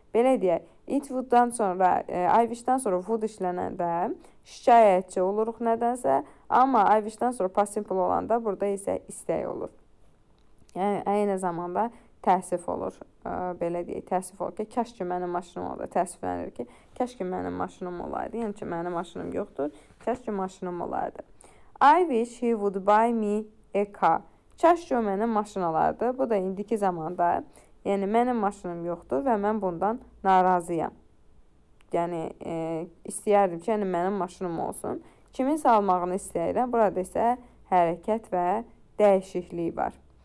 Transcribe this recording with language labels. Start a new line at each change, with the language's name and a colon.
Azerbaijani: Belə deyək, it would-dan sonra, I wish-dən sonra would işlənəndə şikayətçi oluruq nədənsə, amma I wish-dən sonra past simple olanda burada isə istək olur. Yəni, eyni zamanda təəssüf olur, belə deyək, təəssüf olur ki, kəş ki, mənim maşınım olaydı, təəssüflənir ki, kəş ki, mənim maşınım olaydı, yəni ki, mənim maşınım yoxdur, kəş ki, maşınım olaydı.
English: I wish he would buy me a car.
Azerbaijani: Kəş ki, o mənim maşın olaydı, bu da indiki zamanda, yəni mənim maşınım yoxdur və mən bundan narazıyam. Yəni, istəyərdim ki, yəni mənim maşınım olsun. Kiminsə almağını istəyirəm, burada isə hərəkət və dəyişiklik var.